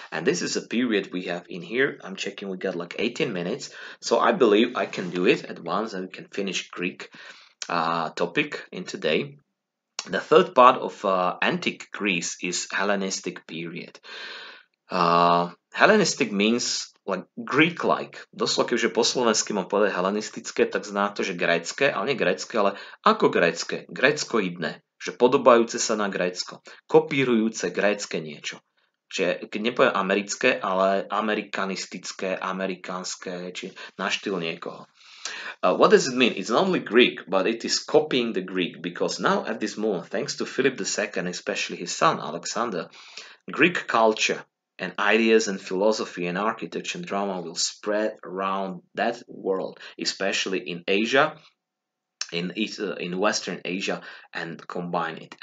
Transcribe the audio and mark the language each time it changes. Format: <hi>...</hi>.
<en>And this is a period we have in here. I'm checking, we got like 18 minutes. So I believe I can do it at once, and we can finish Greek topic in today. The third part of antique Greece is Hellenistic period. Hellenistic means like Greek-like.</en> <sk>Doslova, keďže po slovensky mám povedať helenistické, tak zná to, že grécke, ale nie grécke, ale ako grécke, gréckoidné, že podobajúce sa na Grécko, kopírujúce grécke niečo. Čiže keď nepoviem americké, ale amerikanistické, amerikánske, či na štýl niekoho.</sk> <en>What does it mean? It's not only Greek, but it is copying the Greek, because now at this moment, thanks to Philip II, especially his son Alexander, Greek culture and ideas and philosophy and architecture and drama will spread around that world, especially in Asia, in Western Asia, and combine it.</en>